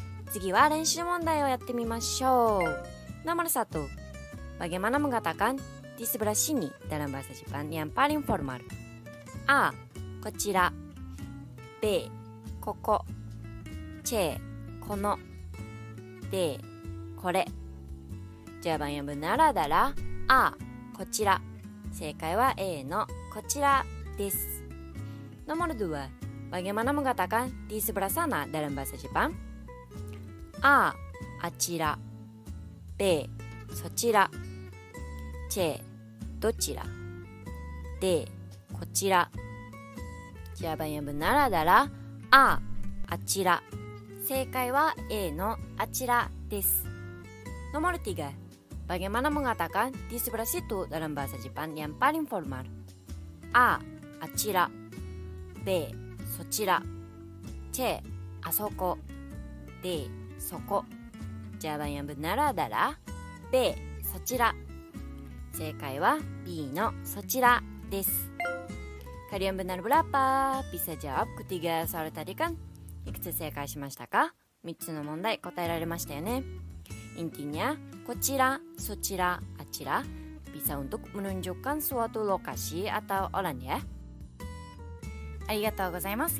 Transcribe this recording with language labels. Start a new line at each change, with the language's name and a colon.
Japanese: 次は練習問題をやってみましょう。
Indonesian: Nomor 1. Bagaimana mengatakan di sebelah sini dalam bahasa Jepang yang paling formal?
Japanese: A. こちら B. ここ C. この D. これ
Indonesian: Jawaban yang benar adalah A.
Japanese: こちら正解は A のこちらです。
Indonesian: Nomor 2. Bagaimana mengatakan di sebelah sana dalam bahasa Jepang?
Japanese: A. Achira B. Sochira C. Dochira D. Kochira
Indonesian: Jawaban yang benar adalah A.
Japanese: Achira 正解は A のあちらです
Indonesian: Nomor 3 Bagaimana mengatakan di sebelah situ dalam bahasa Jepang yang paling formal?
Japanese: A. Achira B. そちら C. あそこ D. そこ
Indonesian: Jawaban yang benar adalah B.
Japanese: そちら正解は B のそちらです
Indonesian: Kalian benar berapa? Bisa jawab ketiga soal tadi kan?
Japanese: いくつ正解しましたか?3つの問題答えられましたよね?
Indonesian: Intinya
Japanese: こちら、そちら、あちら
Indonesian: Bisa untuk menunjukkan suatu lokasi atau orang ya
Japanese: ありがとうございます。